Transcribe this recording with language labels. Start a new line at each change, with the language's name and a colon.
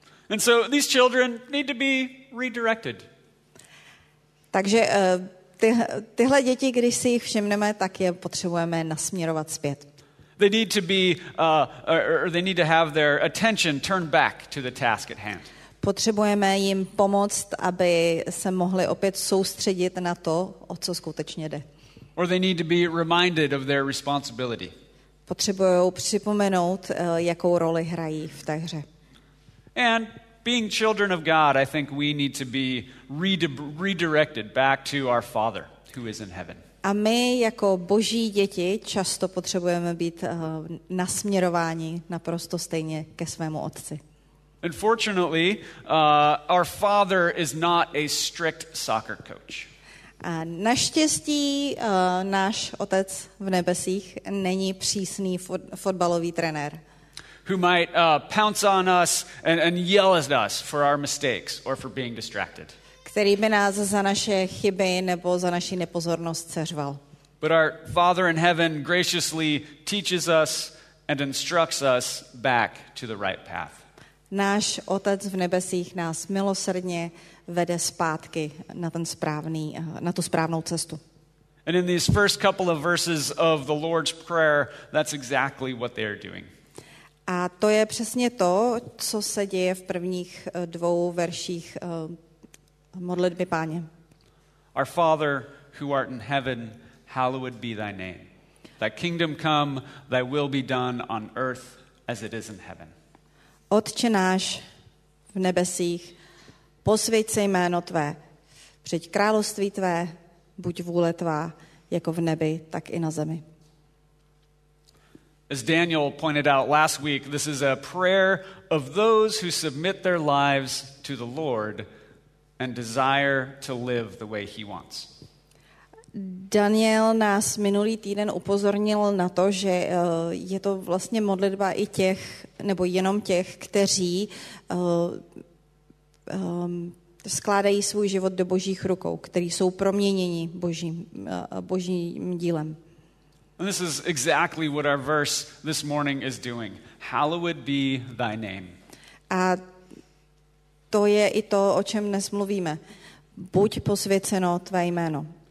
English: And so these children need to be redirected.
Czech: Takže tyhle děti, když si jich všimneme, tak je potřebujeme nasměrovat zpět.
English: They need to be or they need to have their attention turned back to the task at hand.
Czech: potřebujeme jim pomoct, aby se mohli opět soustředit na to, o co skutečně jde.
English: Or they need to be reminded of their responsibility.
Czech: Potřebují připomenout, jakou roli hrají v té hře.
English: And being children of God, I think we need to be redirected back to our Father who is in heaven.
Czech: A my jako boží děti často potřebujeme být nasměrováni naprosto stejně ke svému otci.
English: Unfortunately, our father is not a strict soccer coach.
Czech: A naštěstí náš otec v nebesích není přísný fotbalový trenér.
English: Who might pounce on us and yell at us for our mistakes or for being distracted.
Czech: Který by nás za naše chyby nebo za naši nepozornost seřval.
English: But our Father in heaven graciously teaches us and instructs us back to the right path.
Czech: Náš Otec v nebesích nás milosrdně vede zpátky na ten správný, na tu správnou cestu.
English: And in these first couple of verses of the Lord's Prayer, that's exactly what they are doing.
Czech: A to je přesně to, co se děje v prvních dvou verších modlitby Páně.
English: Our Father, who art in heaven, hallowed be thy name. Thy kingdom come, thy will be done on earth as it is in heaven.
Czech: Otče náš v nebesích, posvěť se jméno tvé, přijď království tvé, buď vůle tvá, jako v nebi, tak i na zemi.
English: As Daniel pointed out last week, this is a prayer of those who submit their lives to the Lord and desire to live the way he wants.
Czech: Daniel nás minulý týden upozornil na to, že je to vlastně modlitba i těch, nebo jenom těch, kteří skládají svůj život do božích rukou, kteří jsou proměněni božím dílem.
English: And this is exactly what our verse this morning is doing. Hallowed be thy name.
Czech: A to je i to, o čem dnes mluvíme. Buď posvěceno tvé jméno.